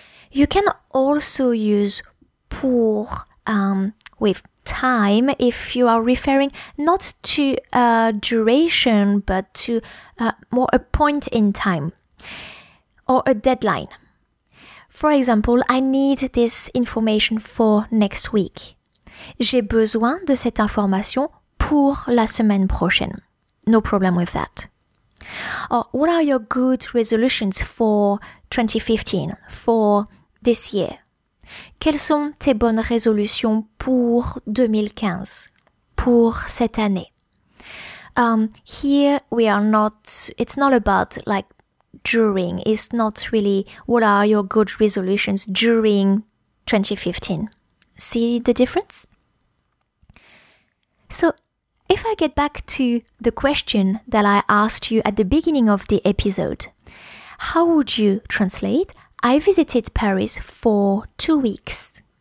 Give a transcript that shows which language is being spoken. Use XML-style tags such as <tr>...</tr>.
<en>You can also use pour with time if you are referring not to duration but to more a point in time or a deadline. For example, I need this information for next week.</en> <fr>J'ai besoin de cette information pour la semaine prochaine.</fr> <en>No problem with that. Or what are your good resolutions for 2015, for this year?</en> <fr>Quelles sont tes bonnes résolutions pour 2015, pour cette année?</fr> <en>Here we are not, it's not about like during, it's not really what are your good resolutions during 2015. See the difference? So, if I get back to the question that I asked you at the beginning of the episode, how would you translate, I visited Paris for 2 weeks?</en>